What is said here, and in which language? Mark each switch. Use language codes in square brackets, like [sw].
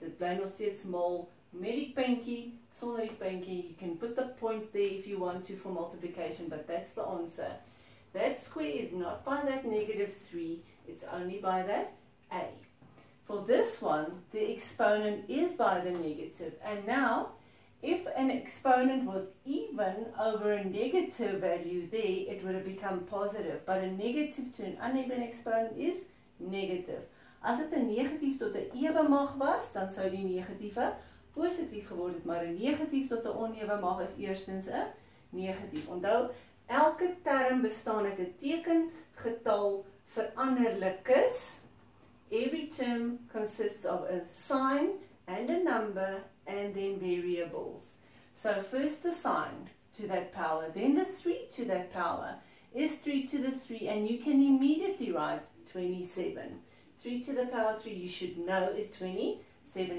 [af] Dit bly nog steeds maal met die pinkie, sonder die pinkie. [en] You can put the point there if you want to for multiplication, but that's the answer. That square is not by that negative 3, it's only by that A. For this one, the exponent is by the negative, and now if an exponent was even over a negative value there, it would have become positive. But a negative to an uneven exponent is negative. [af] As it [en] a negative [af] tot a ewe mag was, dan sou die negatiewe positief geword het. Maar [en] a negative [af] tot a oneven mag is eerstens a negative. Onthou, elke term bestaan uit 'n teken, getal, veranderlikes. [en] Every term consists of a sign and a number, and then variables. So first the sign to that power, then the 3 to that power is 3 to the 3, and you can immediately write 27. 3 to the power 3, you should know, is 27.